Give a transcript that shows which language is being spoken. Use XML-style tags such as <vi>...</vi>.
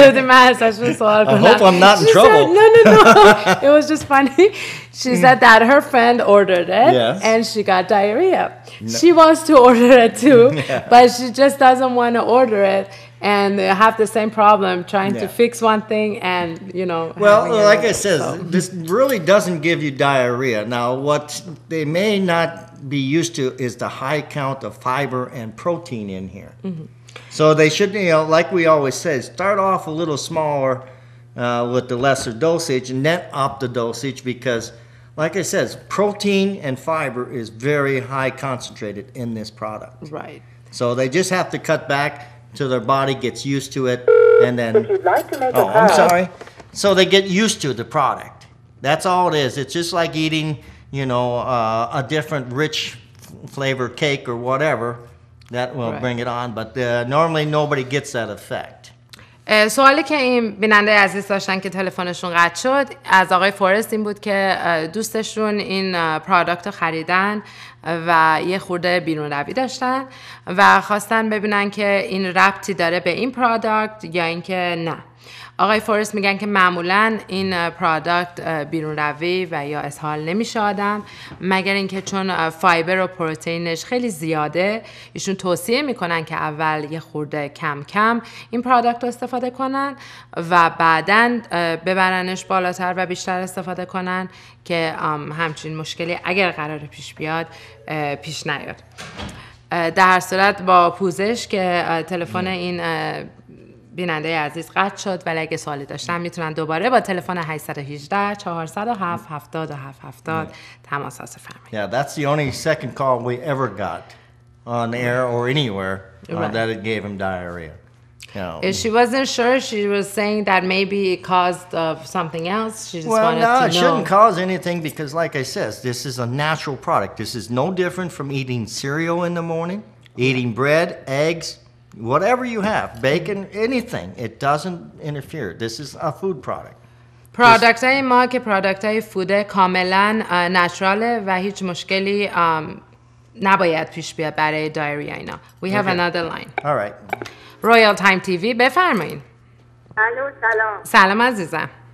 <fa>اجازه بده من ازش رو سوال کنم.</fa> <en>I hope I'm not in trouble. No. It was just funny. She said that her friend ordered it and she got diarrhea. She wants to order it too, but she just doesn't want to order it. And they have the same problem trying to fix one thing and, you know. Well, like I said, this really doesn't give you diarrhea. Now, what they may not be used to is the high count of fiber and protein in here. Mm-hmm. So they should, like we always say, start off a little smaller with the lesser dosage, and then up the dosage, because like I said, protein and fiber is very high concentrated in this product. Right. So they just have to cut back till their body gets used to it, and then... If you'd like to make I'm sorry. So they get used to the product. That's all it is. It's just like eating, you know, a different rich flavor cake or whatever. That will bring it on, but normally nobody gets that effect.</en> <fa>سوالی که این بیننده عزیز داشتن که تلفنشون قطع شد از آقای فورست این بود که دوستشون این پرادکت رو خریدن و یه خورده بیرون روی داشتن و خواستن ببینن که این ربطی داره به این پرادکت یا اینکه نه. آقای فورست میگن که معمولاً این پرادکت بیرون روی و یا اسهال نمیشه آدم مگر اینکه چون فایبر و پروتئینش خیلی زیاده ایشون توصیه میکنن که اول یه خورده کم کم این پرادکت رو استفاده کنن و بعداً ببرنش بالاتر و بیشتر استفاده کنن که همچین مشکلی اگر قرار پیش بیاد پیش نیاد. در هر صورت با پوزش که تلفن این بیننده عزیز قطع شد ولی اگه سوالی داشتن میتونن دوباره با تلفن 818-407-7770 تماس حاصل فرمایید.</fa> <en>Yeah, that's the only second call we ever got on air or anywhere that it gave him diarrhea. If she wasn't sure, she was saying that maybe it caused something else. She just wanted to know. Well, no, it shouldn't cause anything because like I said, this is a natural product. This is no different from eating cereal in the morning, eating bread, eggs, whatever you have, bacon, anything, it doesn't interfere. This is a food product.</en> <fa>Product های ما که product های food کاملا naturale و هیچ مشکلی نباید پیش بیاد برای diary اینا.</fa> <en>We have another line. All right.</en> <fa>Royal Time TV, بفرمایین. الو سلام. سلام عزیزم.</fa>